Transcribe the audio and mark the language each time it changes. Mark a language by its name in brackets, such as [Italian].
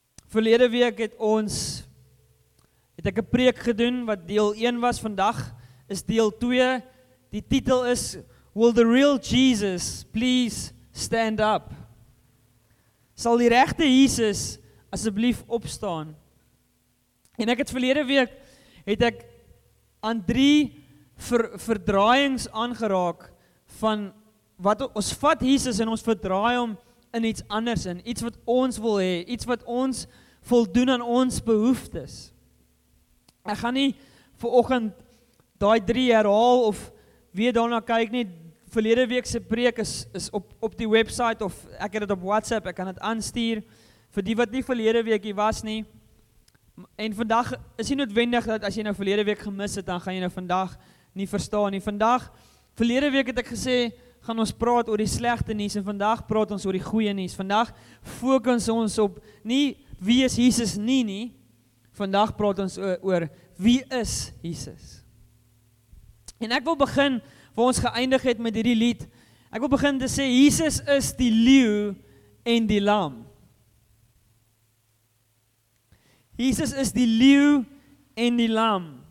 [Afrikaans] Verlede week het ek 'n preek gedoen wat deel 1 was. Vandag is deel 2. Die titel is, [English] Will the real Jesus please stand up? [Afrikaans] Sal die regte Jesus asseblief opstaan? En ek het verlede week, het ek aan 3 verdraaiings aangeraak van wat ons vat Jesus en ons verdraai hom in iets anders in, iets wat ons wil hê, iets wat ons voldoen aan ons behoeftes. Ek gaan nie vanoggend daai 3 herhaal of weer daarna kyk nie. Verlede week se preek is op die website of ek het dit op WhatsApp, ek kan dit aanstuur vir die wat nie verlede week hier was nie. En vandag is nie noodwendig dat as jy nou verlede week gemis het, dan gaan jy nou vandag nie verstaan nie. Vandag, verlede week het ek gesê, gaan ons praat oor die slegte nuus en vandag praat ons oor die goeie nuus. Vandag fokus ons op nie wie is Jesus nie. Vandag praat ons oor wie is Jesus. En ek wil begin waar ons geëindig het met hierdie lied. Ek wil begin te sê, Jesus is die leeu en die lam. Jesus is die leeu en die lam.